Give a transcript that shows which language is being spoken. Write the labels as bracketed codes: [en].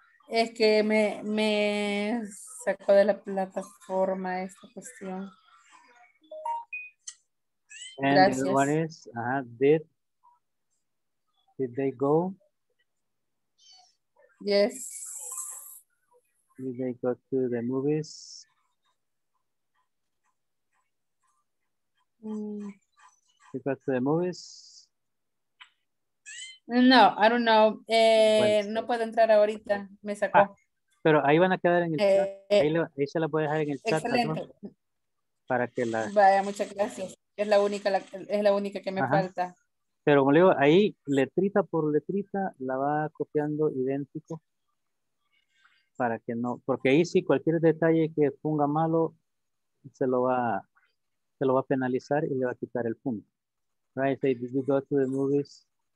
[es] Es que me sacó de la plataforma esta cuestión. [en] And the other one is, did they go? Yes. Did they go to the movies? Mm. Did they go to the movies? [es] No, [en] I don't know. [es] No puedo entrar ahorita, me sacó. Ah, pero ahí van a quedar en el chat. Ahí se la puede dejar en el chat. Excelente. ¿No? Para que la... Vaya, muchas gracias. Es la única que me, ajá, falta. Pero como le digo, ahí letrita por letrita la va copiando idéntico para que no, porque ahí sí cualquier detalle que ponga malo se lo va a penalizar y le va a quitar el punto. [en] Right, say, did you go to the movies?